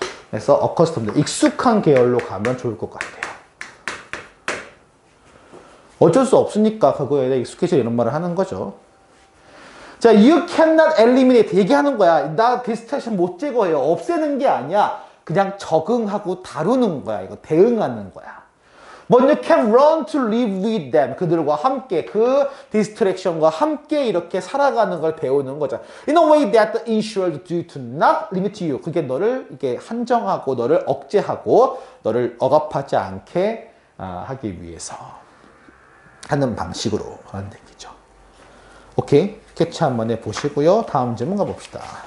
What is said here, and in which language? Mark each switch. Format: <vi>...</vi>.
<ko>그래서 accustomed, 익숙한 계열로 가면 좋을 것 같아요. 어쩔 수 없으니까 그거에 대해 익숙해져 이런 말을 하는 거죠. 자,</ko> <en>you cannot eliminate</en> <ko>얘기하는 거야. 나 디스트랙션 못 제거해요. 없애는 게 아니야. 그냥 적응하고 다루는 거야. 이거 대응하는 거야.</ko> <en>But you can learn to live with them.</en> <ko>그들과 함께, 그 디스트랙션과 함께 이렇게 살아가는 걸 배우는 거죠.</ko> <en>In a way that ensures you to not limit you.</en> <ko>그게 너를 이렇게 한정하고, 너를 억제하고, 너를 억압하지 않게 하기 위해서 하는 방식으로 하는 얘기죠. 오케이. 캐치 한번 해보시고요. 다음 질문 가봅시다.</ko>